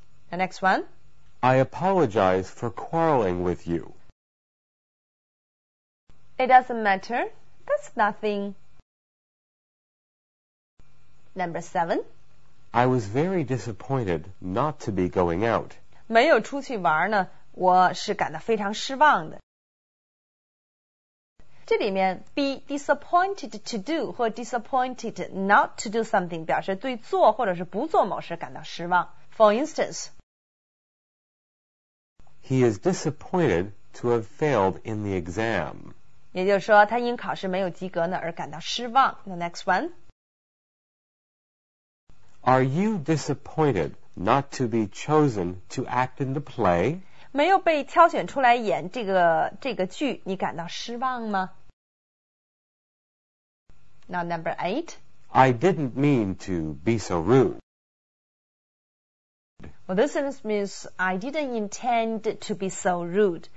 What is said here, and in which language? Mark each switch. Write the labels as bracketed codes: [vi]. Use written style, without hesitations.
[en] The next one. I apologize for quarreling with you. It doesn't matter, that's nothing. Number seven. I was very disappointed not to be going out. [zh] 没有出去玩呢，我是感到非常失望的。这里面 [en] be disappointed to do [zh] 或 [en] disappointed not to do something [zh] 表示对做或者是不做某事感到失望。 [en] For instance, He is disappointed to have failed in the exam. [zh] 也就是说，他因考试没有及格呢而感到失望。 [en] The next one. Are you disappointed not to be chosen to act in the play? [zh] 没有被挑选出来演这个剧，你感到失望吗？ [en] Now number eight. I didn't mean to be so rude. Well, this sentence means I didn't intend to be so rude.